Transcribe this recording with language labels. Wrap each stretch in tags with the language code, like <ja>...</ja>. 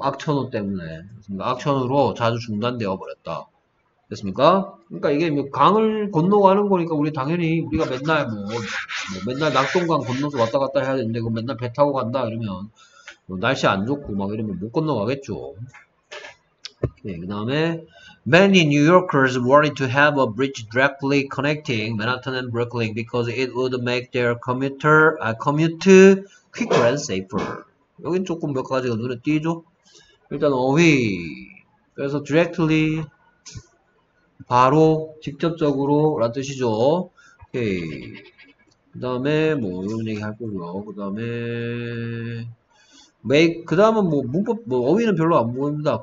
<ko>악천후 때문에 그렇습니까? 악천후로 자주 중단되어 버렸다. 됐습니까? 그러니까 이게 뭐 강을 건너가는 거니까 우리 당연히 우리가 맨날 뭐 맨날 낙동강 건너서 왔다 갔다 해야 되는데 그 맨날 배 타고 간다 이러면 뭐 날씨 안 좋고 막 이러면 못 건너가겠죠. 오케이, 그다음에</ko> <en>Many New Yorkers wanted to have a bridge directly connecting Manhattan and Brooklyn because it would make their commute quicker and safer.</en> <ko>여긴 조금 몇 가지가 눈에 띄죠? 일단 어휘. 그래서 directly 바로 직접적으로란 뜻이죠. 오케이. 그다음에 뭐 이런 얘기 할 거고요. 그다음에 그 다음은 뭐 문법 뭐 어휘는 별로 안 보입니다.</ko>